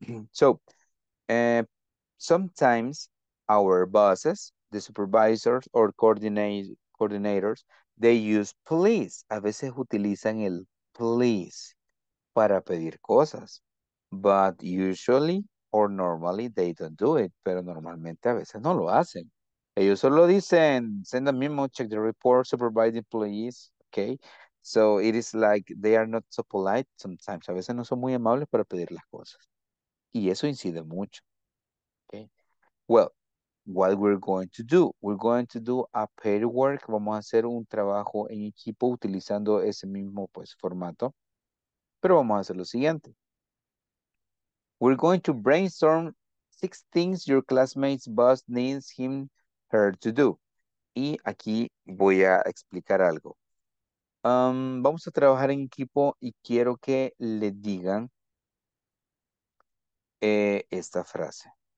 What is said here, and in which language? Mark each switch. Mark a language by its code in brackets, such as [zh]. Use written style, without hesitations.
[en] So, sometimes our bosses, the supervisors or coordinators, they use please. [es] A veces utilizan el please para pedir cosas. [en] But usually or normally they don't do it. [es] Pero normalmente a veces no lo hacen. Ellos solo dicen, [en] send a memo, check the report, supervise the employees, [es] okay? [en] So it is like they are not so polite sometimes. [es] A veces no son muy amables para pedir las cosas. Y eso incide mucho, okay? [en] Well, what we're going to do? We're going to do a pair work. [es] Vamos a hacer un trabajo en equipo utilizando ese mismo, pues, formato. Pero vamos a hacer lo siguiente. [en] We're going to brainstorm 6 things your classmate's boss needs him her to do. [es] Y aquí voy a explicar algo. Vamos a trabajar en equipo y quiero que le digan esta frase.